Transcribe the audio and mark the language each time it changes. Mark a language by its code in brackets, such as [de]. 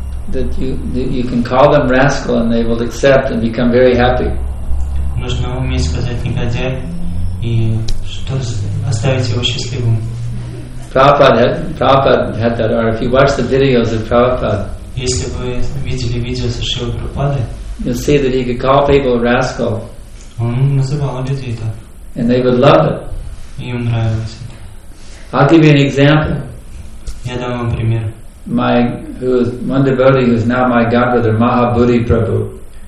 [en] That you can call them rascal and they will accept and become very happy. [ru] Нужно уметь сказать негодяй и что оставить его счастливым. [en] Prabhupada had that, or if you watch the videos of Prabhupada, [ru] если вы видели видео со Шрилы Прабхупады, [en] you'll see that he could call people rascal. [ru] Он называл людей так. [en] And they would love it. [ru] И им нравилось это. [en] I'll give you an example. [ru] Я дам вам пример. [en] One devotee who is now my godbrother, Mahabodhi Prabhu.